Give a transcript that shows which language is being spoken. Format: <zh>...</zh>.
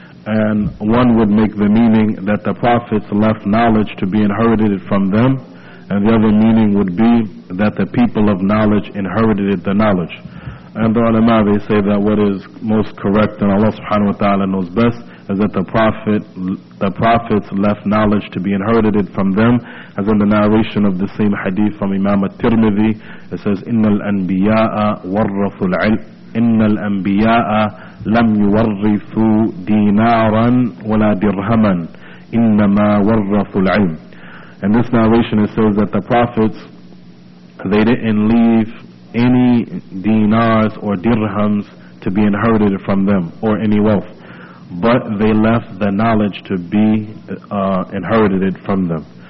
<en>And one would make the meaning that the prophets left knowledge to be inherited from them, and the other meaning would be that the people of knowledge inherited the knowledge. And the ulama, they say that what is most correct, and Allah subhanahu wa ta'ala knows best, is that the prophets left knowledge to be inherited from them. As in the narration of the same hadith from Imam al-Tirmidhi, it says,</en> <ar>إِنَّ الْأَنْبِيَاءَ وَرَّثُ الْعِلْمِ إِنَّ الْأَنْبِيَاءَ لَمْ يُوَرِّثُوا دِينَارًا وَلَا دِرْهَمًا إِنَّمَا وَرَّثُوا الْعِلْمِ.</ar> <en>In this narration it says that the prophets, they didn't leave any dinars or dirhams to be inherited from them, or any wealth, but they left the knowledge to be inherited from them.</en>